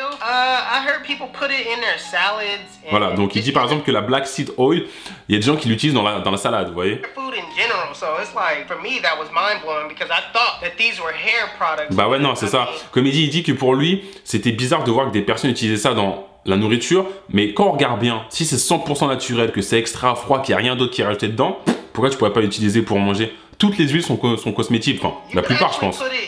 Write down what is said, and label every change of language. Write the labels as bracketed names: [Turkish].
[English] I heard people put it in their salads. And [French] voilà, donc il dit par exemple que la black seed oil, il y a des gens qui l'utilisent dans la salade, vous voyez. [English] Food in general, so it's like for me that was mind blowing because I thought that these were hair products. [French] Bah ouais, non, c'est ça. Comme il dit que pour lui, c'était bizarre de voir que des personnes utilisaient ça dans la nourriture, mais quand on regarde bien, si c'est 100% naturel, que c'est extra froid, qu'il y a rien d'autre qui est rajouté dedans, pourquoi tu pourrais pas l'utiliser pour manger? Toutes les huiles sont cosmétiques, enfin, la plupart, je pense.